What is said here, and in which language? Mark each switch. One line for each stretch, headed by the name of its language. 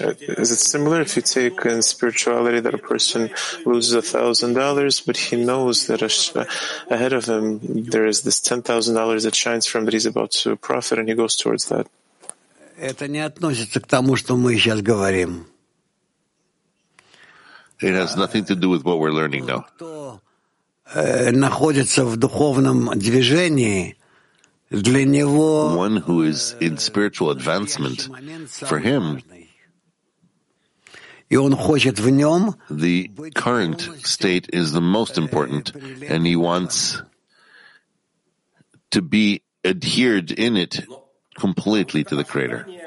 English: Is it similar if you take in spirituality that a person loses $1,000, but he knows that ahead of him there is this $10,000 that shines from that he's about to profit and he goes towards that?
Russian: Это не относится к тому, что мы сейчас говорим.
English: It has nothing to do with what we're learning now.
Russian: Кто находится в духовном движении, для него
English: one who is in spiritual advancement for him,
Russian: и он хочет в нем
English: the current state is the most important and he wants to be adhered in it completely to the Creator.